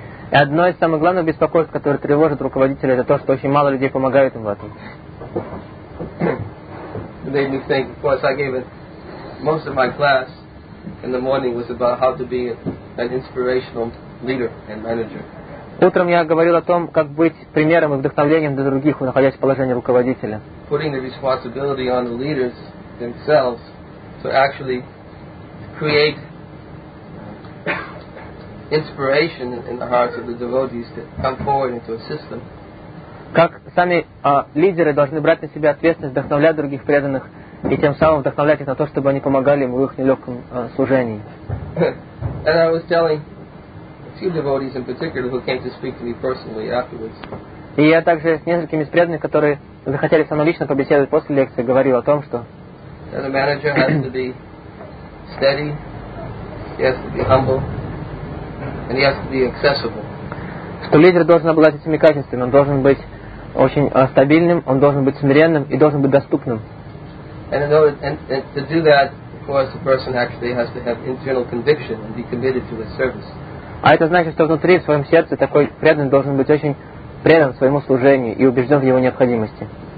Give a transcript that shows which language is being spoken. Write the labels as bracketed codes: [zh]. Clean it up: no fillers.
[ru] И одно из самых главных беспокойств, которые тревожат руководителей, это то, что очень мало людей помогают им в этом. [en] Made me think. Of course, I gave it most of my class in the morning was about how to be an inspirational leader and manager. [ru] Утром я говорил о том, как быть примером и вдохновлением для других, находясь в положении руководителя. [en] Putting the responsibility on the leaders themselves to actually create inspiration in the hearts of the devotees to come forward and to assist them. [ru] Как сами лидеры должны брать на себя ответственность вдохновлять других преданных и тем самым вдохновлять их на то, чтобы они помогали им в их нелегком служении. [en] And I was telling few devotees in particular who came to speak to me personally afterwards. [ru] И я также с несколькими из преданных, которые захотели со мной лично побеседовать после лекции, говорил о том, что [en] that a manager has to be steady, he has to be humble, and he has to be accessible. [ru] Что лидер должен обладать этими качествами, он должен быть очень стабильным, он должен быть смиренным и должен быть доступным. [en] And to do that, of course, the person actually has to have internal conviction and be committed to his service. [ru] А это значит, что внутри, в своем сердце, такой преданный должен быть очень предан своему служению и убежден в его необходимости.